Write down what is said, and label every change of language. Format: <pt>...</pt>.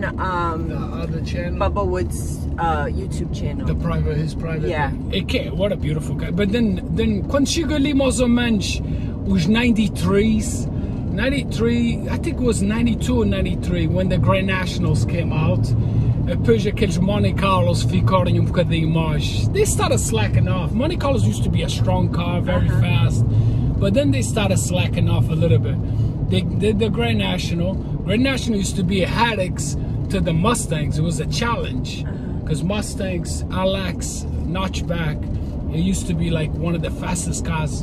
<en>the other channel. Bubba Woods YouTube channel. The private, his private. Yeah. Okay, what a beautiful guy. But then</en> <pt>quando chegou mais ou menos os</pt> <en>93s, 93, I think it was 92 or 93 when the Grand Nationals came out.</en> <pt>Depois aqueles Monte Carlos ficaram um bocadinho mais.</pt> <en>They started slacking off. Monte Carlos used to be a strong car, very uh-huh. fast. But then they started slacking off a little bit. They did the Grand National. Grand National used to be a headache to the Mustangs. It was a challenge. Because uh-huh. Mustangs, LX, notchback, it used to be like one of the fastest cars.</en>